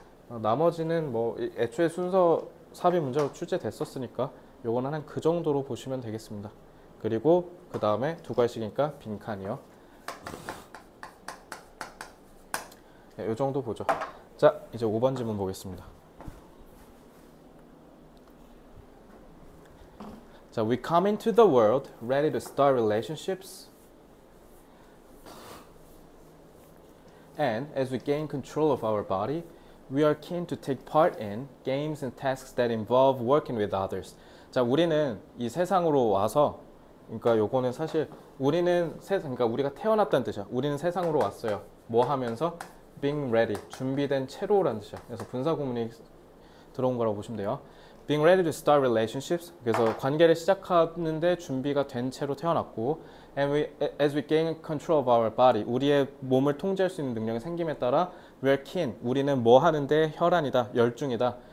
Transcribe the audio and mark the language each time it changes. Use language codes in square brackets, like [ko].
[ko] 나머지는 뭐 애초에 순서 사비 문제로 출제됐었으니까 요거는 한그 정도로 보시면 되겠습니다. 그리고 그 다음에 두 갈씩이니까 빈칸이요. 네, 요 정도 보죠. 자, 이제 5번 질문 보겠습니다. 자, [en] we come into the world ready to start relationships. And as we gain control of our body, we are keen to take part in games and tasks that involve working with others. [ko] 자, 우리는 이 세상으로 와서, 그러니까 요거는 사실 우리는 세상, 그러니까 우리가 태어났다는 뜻이야. 우리는 세상으로 왔어요. 뭐 하면서? [en] Being ready, [ko] 준비된 채로라는 뜻이야. 그래서 분사구문이 들어온 거라고 보시면 돼요. [en] Being ready to start relationships. [ko] 그래서 관계를 시작하는데 준비가 된 채로 태어났고, [en] as we gain control of our body, [ko] 우리의 몸을 통제할 수 있는 능력이 생김에 따라, [en] we are keen, [ko] 우리는 뭐 하는데 혈안이다, 열중이다.